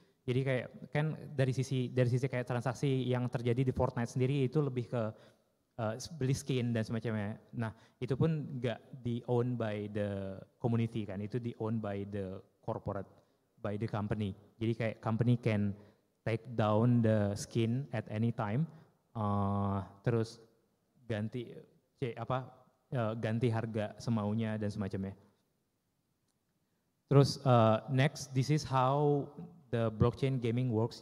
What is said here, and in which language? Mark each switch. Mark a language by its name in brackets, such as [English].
[Indonesian] Jadi kayak kan dari sisi kayak transaksi yang terjadi di Fortnite sendiri itu lebih ke beli skin dan semacamnya. Nah, itu pun enggak di [English] own by the community [Indonesian] kan. Itu di [English] own by the corporate, by the company. [Indonesian] Jadi kayak [English] company can take down the skin at any time. [Indonesian] Terus ganti harga semaunya dan semacamnya. [English] Terus next, this is how the blockchain gaming works.